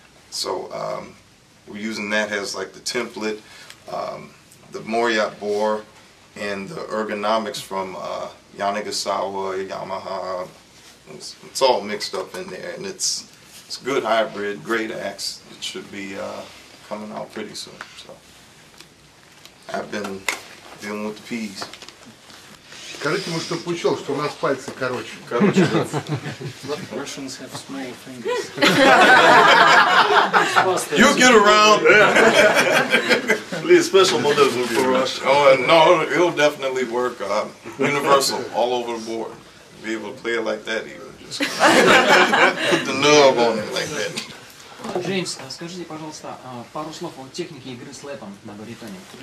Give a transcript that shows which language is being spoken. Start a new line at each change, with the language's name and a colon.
English: So we're using that as like the template, the Moriart bore, and the ergonomics from Yanagisawa, Yamaha. It's all mixed up in there, and it's a good hybrid, great axe. It should be coming out pretty soon. So I've been dealing with the peas.
Russian: Скажите ему, чтобы учел, что у нас пальцы короче.
English: Russians have small fingers. You get around. Please, special models will be for Russia. Oh, no, it'll definitely work. Universal, all over the board. Be able to play it like that, even. Just put the nub on it like that.
Russian: Джеймс, скажите, пожалуйста, пару слов о технике игры слэпом на баритоне.